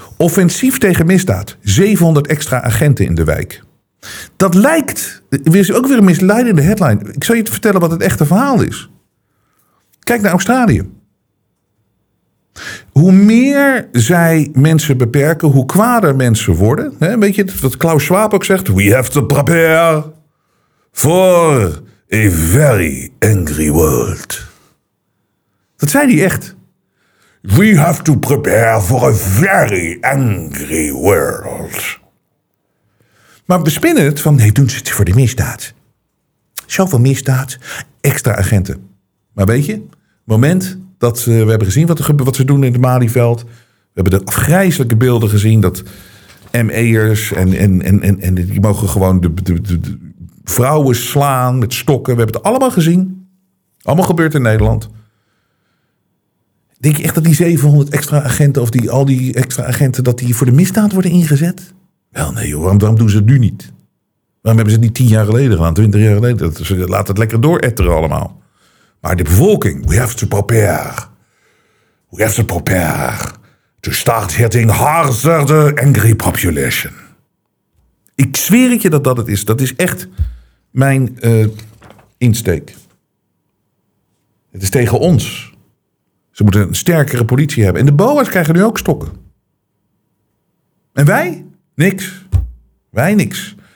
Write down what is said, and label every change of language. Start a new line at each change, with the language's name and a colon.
Dutch: Offensief tegen misdaad. 700 extra agenten in de wijk. Dat lijkt... Er is ook weer een misleidende headline. Ik zal je vertellen wat het echte verhaal is. Kijk naar Australië. Hoe meer zij mensen beperken, hoe kwader mensen worden. Weet je wat Klaus Schwab ook zegt?
English: We have to prepare for a very angry world.
Dutch: Dat zei hij echt.
English: We have to prepare for a very angry world.
Dutch: Maar we spinnen het van, nee, doen ze het voor de misdaad. Zoveel misdaad, extra agenten. Maar weet je, moment... Dat we hebben gezien wat ze doen in het Maliveld. We hebben de afgrijzelijke beelden gezien. Dat ME'ers en die mogen gewoon de vrouwen slaan met stokken. We hebben het allemaal gezien. Allemaal gebeurt in Nederland. Denk je echt dat die 700 extra agenten... of al die extra agenten, dat die voor de misdaad worden ingezet? Wel nee, joh, waarom doen ze het nu niet? Waarom hebben ze het niet 10 jaar geleden gedaan, 20 jaar geleden? Ze laten het lekker dooretteren allemaal. Maar de bevolking,
English: we have to prepare. We have to prepare to start hitting harder the angry population.
Dutch: Ik zweer het je dat het is. Dat is echt mijn insteek. Het is tegen ons. Ze moeten een sterkere politie hebben. En de boa's krijgen nu ook stokken. En wij? Niks. Wij niks.